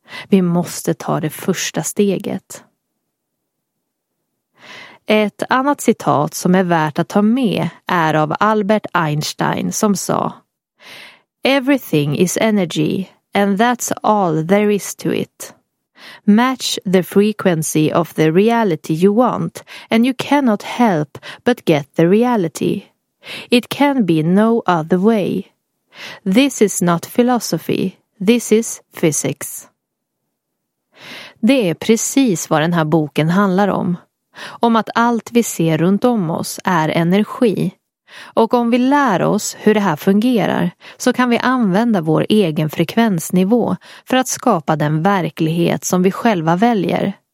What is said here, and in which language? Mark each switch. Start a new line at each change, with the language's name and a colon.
Swedish: Vi måste ta det första steget. Ett annat citat som är värt att ta med är av Albert Einstein som sa:
English: "Everything is energy and that's all there is to it. Match the frequency of the reality you want and you cannot help but get the reality. It can be no other way. This is not philosophy, this is physics."
Swedish: Det är precis vad den här boken handlar om. Om att allt vi ser runt om oss är energi. Och om vi lär oss hur det här fungerar så kan vi använda vår egen frekvensnivå för att skapa den verklighet som vi själva väljer.